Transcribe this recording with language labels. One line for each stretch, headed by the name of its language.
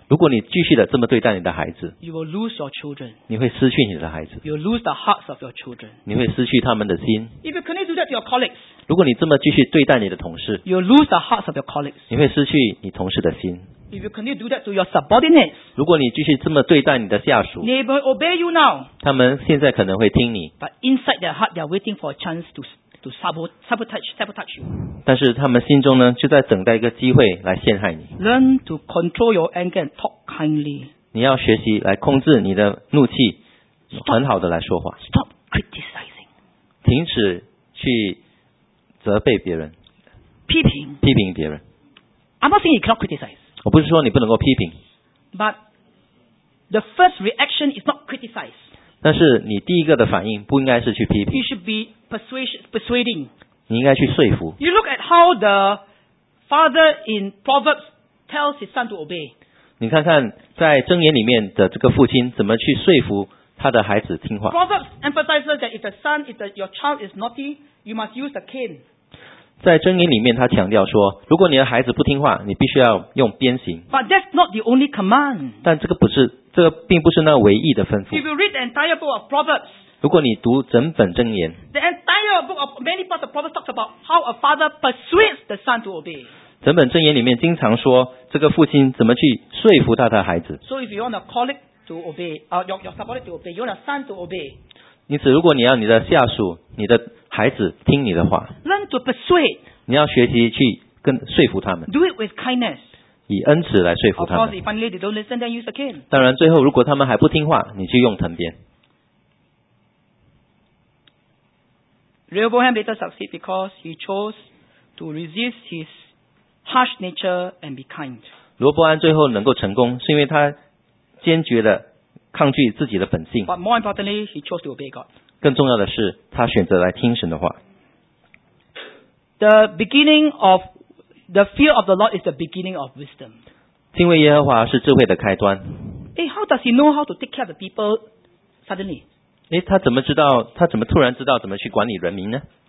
Chinese: 如果你继续的这么对待你的孩子，
English: you will lose your children.
Chinese: 你会失去你的孩子。
English: You will lose the hearts of your children.
Chinese: 你会失去他们的心。
English: If you continue to do that to your colleagues,
Chinese: 如果你这么继续对待你的同事，
English: you will lose the hearts of your colleagues.
Chinese: 你会失去你同事的心。
English: If you continue to do that to your subordinates,
Chinese: 如果你继续这么对待你的下属，
English: they will obey you now.
Chinese: 他们现在可能会听你。
English: But inside their heart, they are waiting for a chance to sabotage you.
Chinese: 但是他们心中呢，就在等待一个机会来陷害你。
English: Learn to control your anger and talk kindly.
Chinese: 你要学习来控制你的怒气，
English: stop,
Chinese: 很好的来说话。
English: Stop criticizing.
Chinese: 停止去责备别人。批评别人。
English: I'm not saying you cannot criticize.
Chinese: 我不是说你不能够批评。
English: But the first reaction is not criticize.
Chinese: 但是你第一个的反应不应该是去批评。
English: You should be persuading.
Chinese: 你应该去说服。
English: You look at how the father in Proverbs tells his son to obey.
Chinese: 你看看在箴言里面的这个父亲怎么去说服他的孩子听话。
English: Proverbs emphasizes that if your child is naughty, you must use the cane.
Chinese: 在箴言里面他强调说，如果你的孩子不听话，你必须要用鞭刑。
English: But that's not the only command.
Chinese: 但这个并不是那唯一的吩咐。
English: If you read the entire book of Proverbs,
Chinese: 如果你读整本箴言，
English: the entire book of many parts of Proverbs talks about how a father persuades the son to obey.
Chinese: 整本箴言里面经常说这个父亲怎么去说服他的孩子。
English: So if you want a colleague to obey, your subordinate to obey, you want a son to obey.
Chinese: 因此，如果你要你的下属、你的孩子听你的话，
English: learn to persuade.
Chinese: 你要学习去跟说服他们。
English: Do it with kindness.
Chinese: 以恩慈来说服他们。当然最后如果他们还不听话，你就用藤鞭。
English: Rehoboam later succeeded because he chose to resist his harsh nature and be kind.
Chinese: 罗伯安最后能够成功是因为他坚决的抗拒自己的本性。
English: But more importantly, he chose to obey God.
Chinese: 更重要的是他选择来听神的话。
English: The beginning ofThe fear of the Lord is the beginning of wisdom.
Chinese: 敬畏耶和华是智慧的开端。
English: Hey, how does he know how to take care of the people suddenly?
Chinese: 他怎么突然知道怎么去管理人民呢？